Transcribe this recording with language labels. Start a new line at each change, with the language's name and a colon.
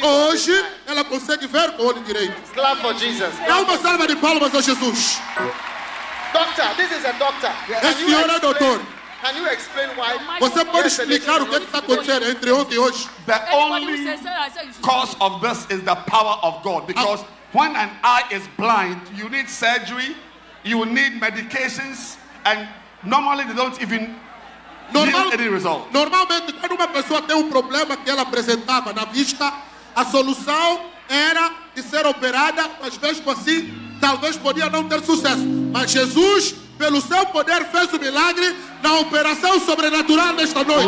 Portuguese: hoje ela consegue ver com o olho direito.
English: Clap for Jesus.
Portuguese: Dá uma salva de palmas a Jesus.
English: Doctor, this is a doctor. Yes.
Portuguese: Esse senhor é doutor.
English: Can you explain why?
Portuguese: Você pode explicar o que está acontecendo entre ontem e hoje?
English: The only cause of this is the power of God, because when an eye is blind, you need surgery, you need medications, and normally they don't even need any result.
Portuguese: Normalmente, quando uma pessoa tem problema que ela apresentava na vista, a solução era de ser operada, mas mesmo assim, talvez podia não ter sucesso. Mas Jesus, pelo seu poder, fez o milagre na operação sobrenatural nesta noite.